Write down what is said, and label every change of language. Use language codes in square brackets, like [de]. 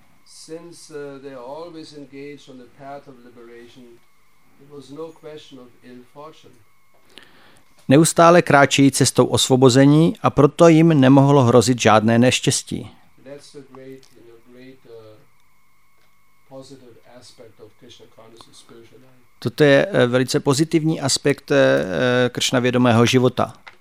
[en] Since they are always engaged on the path of liberation, it was no question of ill fortune. [cs] Neustále kráčí cestou osvobození a proto jim nemohlo hrozit žádné neštěstí. [en] That's a great, you know, great positive aspect of Krishna consciousness spiritual life. [cs] Toto je velice pozitivní aspekt Krishna vědomého života.